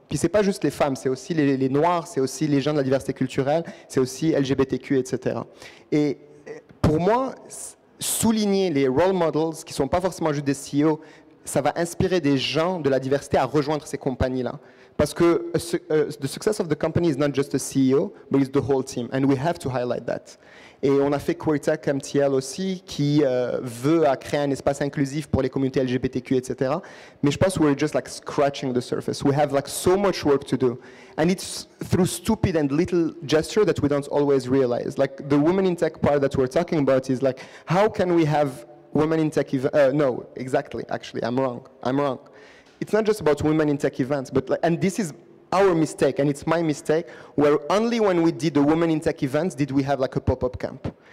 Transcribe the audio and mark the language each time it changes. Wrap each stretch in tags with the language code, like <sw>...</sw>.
<fr>Puis ce n'est pas juste les femmes, c'est aussi les noirs, c'est aussi les gens de la diversité culturelle, c'est aussi LGBTQ, etc. Et pour moi, souligner les role models qui ne sont pas forcément juste des CEO, ça va inspirer des gens de la diversité à rejoindre ces compagnies-là. Parce que</fr> <en>the success of the company is not just the CEO, but it's the whole team. And we have to highlight that.</en> <fr>Et on a fait QueerTech MTL aussi, qui veut à créer un espace inclusif pour les communautés LGBTQ, etc. Mais je pense que nous sommes juste</fr> <en>scratching the surface. We have like so much work to do. And it's through stupid and little gestures that we don't always realize. Like the women in tech part that we're talking about is like, how can we have women in tech I'm wrong. It's not just about women in tech events, but like, and this is our mistake, and it's my mistake, where only when we did the women in tech events did we have like a pop-up camp.</en>